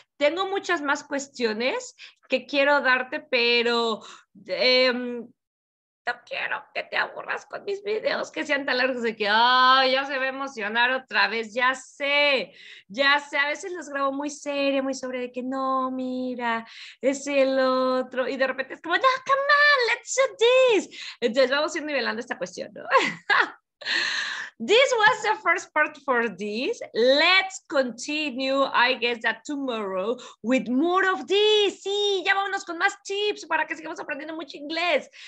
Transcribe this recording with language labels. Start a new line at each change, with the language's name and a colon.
Spanish: Tengo muchas más cuestiones que quiero darte, pero no quiero que te aburras con mis videos que sean tan largos de que ya se va a emocionar otra vez. Ya sé. A veces los grabo muy seria, muy sobre de que no, mira, es el otro. Y de repente es como, no,
English: come on, let's do this.
Spanish: Entonces vamos a ir nivelando esta cuestión, ¿no?
English: This was the first part for this. Let's continue, I guess, that tomorrow with more of this.
Spanish: Sí, ya vámonos con más tips para que sigamos aprendiendo mucho inglés.